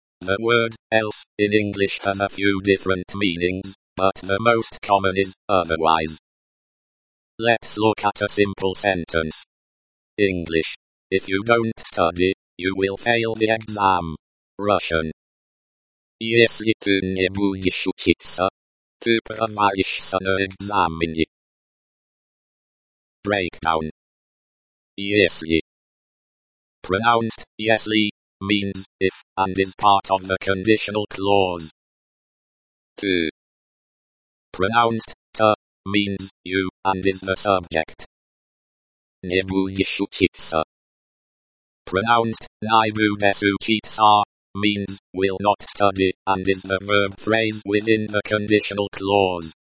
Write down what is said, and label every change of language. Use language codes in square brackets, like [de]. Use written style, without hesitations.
[en] The word else in English has a few different meanings, but the most common is otherwise. Let's look at a simple sentence. English. If you don't study, you will fail the exam. Russian. [ru] Если ты не будешь учиться, ты провалишься на экзамене. [en] Breakdown. [ru] Если. [en] Pronounced, [ru] если, [en] means, if, and is part of the conditional clause. To. Pronounced, to, means, you, and is the subject. [ru] Не будешь учиться. [en] Pronounced, [ru] не будешь учиться, [en] means, will not study, and is the verb phrase within the conditional clause.